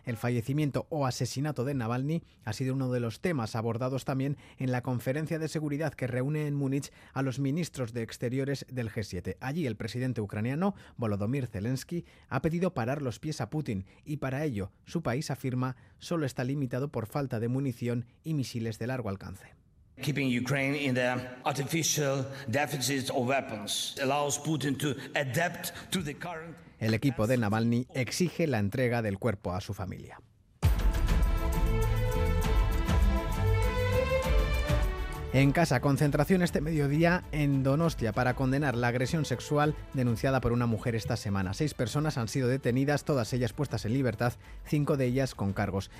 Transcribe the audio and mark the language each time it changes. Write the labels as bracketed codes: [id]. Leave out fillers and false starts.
[es] El fallecimiento o asesinato de Navalny ha sido uno de los temas abordados también en la conferencia de seguridad que reúne en Múnich a los ministros de Exteriores del G7. Allí el presidente ucraniano, Volodymyr Zelensky, ha pedido parar los pies a Putin y para ello su país afirma solo está limitado por falta de munición y misiles de largo alcance. [en] Keeping Ukraine in the artificial deficit of weapons allows Putin to adapt to the current. [es] El equipo de Navalny exige la entrega del cuerpo a su familia. En casa, concentración este mediodía en Donostia para condenar la agresión sexual denunciada por una mujer esta semana. 6 personas han sido detenidas, todas ellas puestas en libertad, 5 de ellas con cargos.